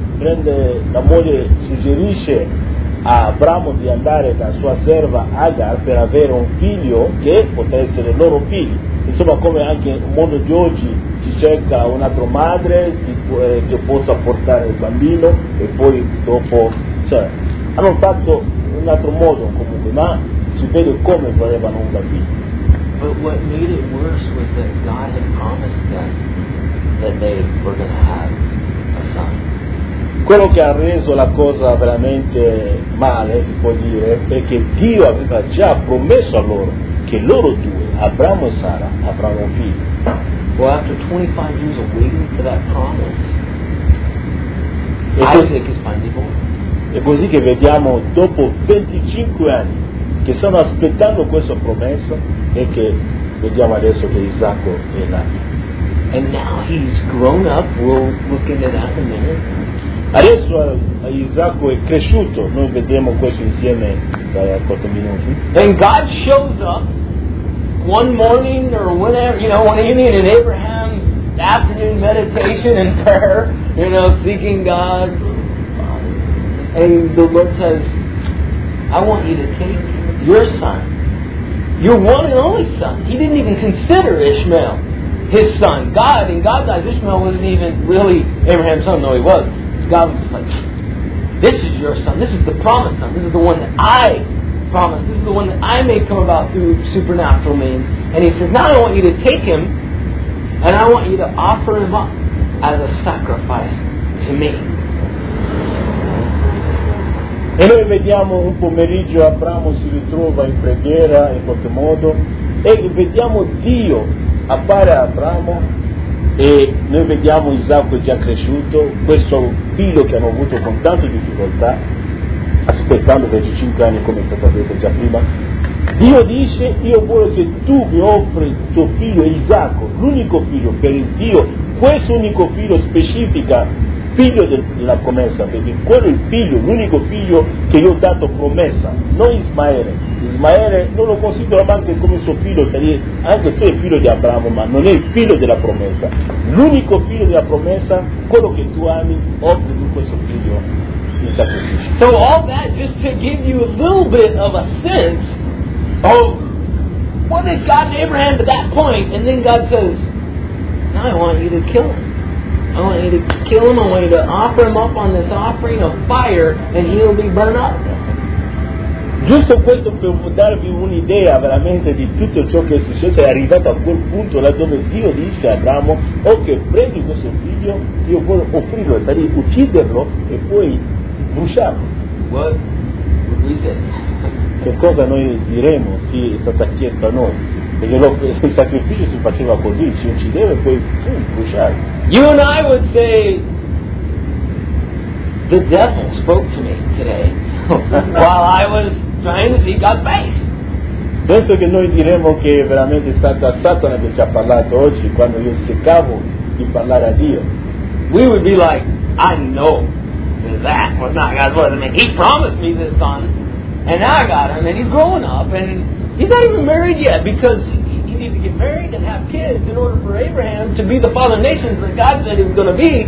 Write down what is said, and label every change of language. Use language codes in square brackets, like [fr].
[it] Prende la moglie, suggerisce a Abramo di andare da sua serva Agar per avere un figlio che potesse essere il loro figlio. Insomma, come anche nel mondo di oggi si cerca un'altra madre che possa portare il bambino e poi dopo, cioè, hanno fatto un altro modo comunque, ma si vede come volevano un bambino. [en] But what made it worse was that God had promised them that they were going to have a son. [it] Quello che ha reso la cosa veramente male, si può dire, è che Dio aveva già promesso a loro che loro due, Abramo e Sara, avranno un figlio. [en] Well, after 25 years of waiting for that promise, Isaac is finally born. [it] E così che vediamo dopo 25 anni che stanno aspettando questa promessa e che vediamo adesso che Isacco è nato. [en] And now he's grown up, we'll look into that in a minute. [it] Adesso Isacco è cresciuto, noi vediamo questo insieme da 4 minuti. [en] And God shows up one morning or whenever, you know, one evening in Abraham's afternoon meditation and prayer, you know, seeking God. And the Lord says, I want you to take your son, your one and only son. He didn't even consider Ishmael his son. God, in God's eyes, Ishmael wasn't even really Abraham's son, though he was. God was like, this is your son. This is the promised son. This is the one that I promised. This is the one that I made come about through supernatural means. And he says, now I want you to take him, and I want you to offer him up as a sacrifice to me. [it] E noi vediamo un pomeriggio Abramo si ritrova in preghiera in qualche modo e vediamo Dio appare a Abramo e noi vediamo Isacco già cresciuto, questo figlio che hanno avuto con tante difficoltà aspettando 25 anni come è stato detto già prima. Dio dice, io voglio che tu mi offri tuo figlio Isacco, l'unico figlio per il Dio, questo unico figlio specifica figlio della promessa, perché quello è il figlio, l'unico figlio che io ho dato promessa, non Ismaele. Ismaele non lo considero neanche come suo figlio, perché anche tu è figlio di Abramo, ma non è il figlio della promessa. L'unico figlio della promessa, quello che tu ami, offri di questo figlio in sacrificio. [en] So all that just to give you a little bit of a sense of what has gotten Abraham to that point, and then God says, now I want you to kill him. I want you to kill him, I want you to offer him up on this offering of fire, and he'll be burnt up. [it] Giusto questo per darvi un'idea veramente di tutto ciò che è successo, è arrivato a quel punto là dove Dio dice a Abramo, ok, prendi questo figlio, io voglio offrirlo, cioè ucciderlo e poi bruciarlo. [en] What would we say? [it] Che cosa noi diremo se è stata chiesta a noi? perché lo, il sacrificio si faceva così, si uccideva e poi bruciava. [en] You and I would say the devil spoke to me today while I was trying to see God's face. [it] Penso che noi diremo che veramente è stata Satana che ci ha parlato oggi quando io cercavo di parlare a Dio. [en] We would be like, I know that was not God's will. I mean, he promised me this son, and now I got him, and he's growing up, and he's not even married yet, because he needed to get married and have kids in order for Abraham to be the father of nations that God said he was going to be.